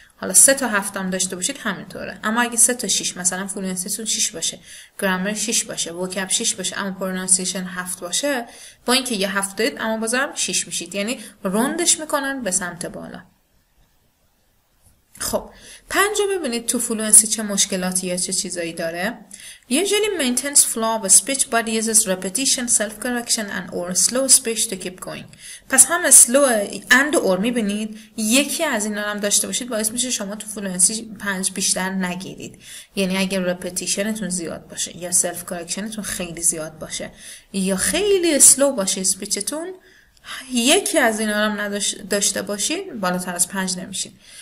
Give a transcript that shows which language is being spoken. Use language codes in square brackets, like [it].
[fa] حالا 3 تا 7 هم داشته باشید همینطوره. اما اگه 3 تا 6 مثلا فلوئنسیتون 6 باشه، گرامر 6 باشه، وکاب 6 باشه، اما پرونانسیشن 7 باشه، با اینکه یه 7 دارید اما بازم 6 میشید. یعنی روندش میکنن به سمت بالا. خب پنجو ببینید تو فلوئنسی چه مشکلاتی یا چه چیزایی داره. [en] Usually maintains flow of speech but uses repetition, self-correction and or slow speech to keep going. [fa] پس هم [en] slow and or [fa] میبینید یکی از اینا هم داشته باشید باعث میشه شما تو فلوئنسی 5 بیشتر نگیرید. یعنی اگر repetitionتون زیاد باشه یا self-correctionتون خیلی زیاد باشه یا خیلی slow باشه speechتون، یکی از اینا هم نداشته باشید بالاتر از 5 نمیشید.